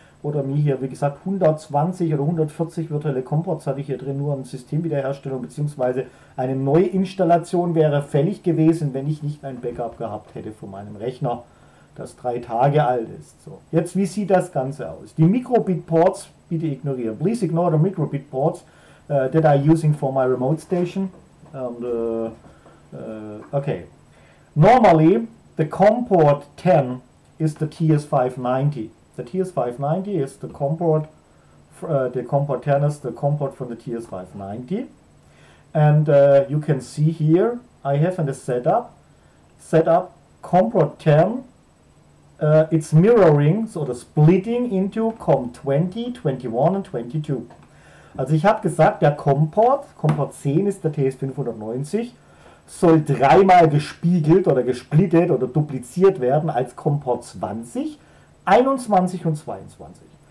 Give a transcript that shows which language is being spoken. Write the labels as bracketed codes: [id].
[de] Oder mir hier, wie gesagt, 120 oder 140 virtuelle Comports hatte ich hier drin, nur eine Systemwiederherstellung bzw. eine Neuinstallation wäre fällig gewesen, wenn ich nicht ein Backup gehabt hätte von meinem Rechner, das 3 Tage alt ist. So, jetzt, wie sieht das Ganze aus? Die Microbit-Ports, bitte ignorieren. [en] Please ignore the Microbit-Ports that I'm using for my remote station. And, okay. Normally, the Comport 10 is the TS590. The TS590 is the COM-Port, the COM-Port 10 is the COM-Port from the TS590. And you can see here, I have in the setup COM-Port 10, it's mirroring, so the splitting into COM-20, 21 and 22. [de] Also ich habe gesagt, der COM-Port 10 ist der TS590, soll dreimal gespiegelt oder gesplittet oder dupliziert werden als COM-Port 20, 21 und 22.